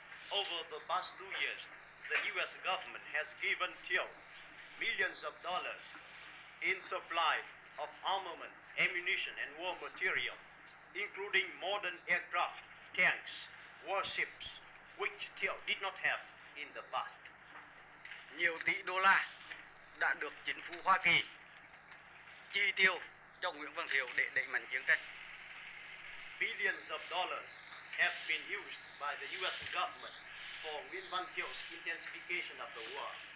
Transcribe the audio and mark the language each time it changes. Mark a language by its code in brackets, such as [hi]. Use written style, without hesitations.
[en] Over the past 2 years, the U.S. government has given Thiệu millions of dollars in supply of armament, ammunition, and war material, including modern aircraft, tanks, warships, which Thiệu did not have in the past. [vi] Nhiều tỷ đô la đã được chính phủ Hoa Kỳ chi tiêu cho Nguyễn Văn Thiệu để đẩy mạnh chiến tranh. [en] Billions of dollars have been used by the U.S. government for Nguyễn Văn Thiệu's intensification of the war.